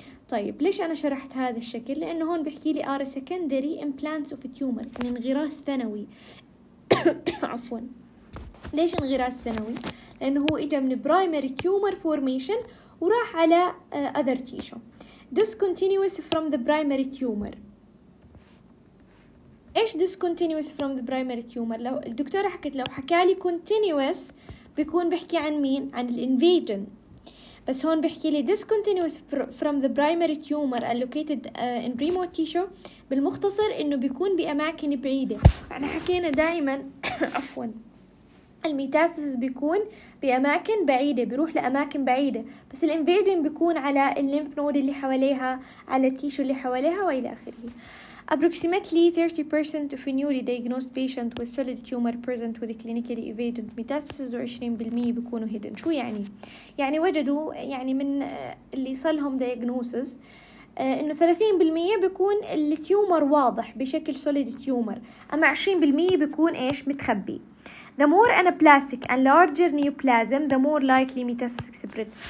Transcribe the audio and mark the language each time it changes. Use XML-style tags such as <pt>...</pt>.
<ar>طيب ليش أنا شرحت هذا الشكل؟ لأنه هون بيحكي لي</ar> <en>are secondary implants of tumor،</en> <ar>يعني انغراس ثانوي. عفوا، ليش انغراس ثانوي؟ لأنه هو إجا من primary tumor formation وراح على other tissue.</ar> <en>discontinuous from the primary tumor.</en> <ar>إيش</ar> <en>discontinuous from the primary tumor؟</en> <ar>لو الدكتورة حكت، لو حكالي continuous بيكون بحكي عن مين؟ عن الانفيجن. بس هون بحكي لي</ar> <en>discontinuous from the primary tumor allocated in remote tissue،</en> <ar>بالمختصر إنه بيكون بأماكن بعيدة. فأنا حكينا دائما عفوا الميتاستاسيس بيكون بأماكن بعيدة، بيروح لأماكن بعيدة، بس الانفيجن بيكون على الليمف نود اللي حواليها، على التيشو اللي حواليها وإلى آخره.</ar> <en>Approximately 30% of newly diagnosed patient with solid tumor present with clinically evident metastasis</en> <ar>و 20% بيكونوا</ar> <en>hidden.</en> <ar>شو يعني؟ يعني وجدوا، يعني من اللي صلهم diagnosis انه 30% بيكون التيومر واضح بشكل solid tumor، اما 20% بيكون ايش؟ متخبي.</ar> <en>The more anaplastic and larger neoplasm the more likely metastasis spread.</en>